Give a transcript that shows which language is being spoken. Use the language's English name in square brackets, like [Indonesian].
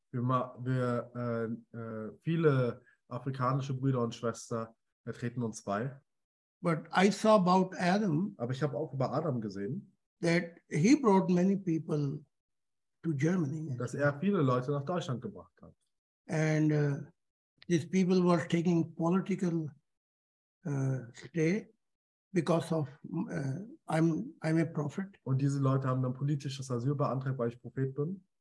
[German] Viele afrikanische Brüder und Schwestern treten uns bei. [English] But I saw about Adam. [German] Aber ich habe auch über Adam gesehen. [English] That he brought many people to Germany. [German] Dass er viele Leute nach Deutschland gebracht hat. [English] And these people were taking political stay because of I'm a prophet. [German] Und diese Leute haben dann politisches Asyl beantragt, weil ich Prophet bin.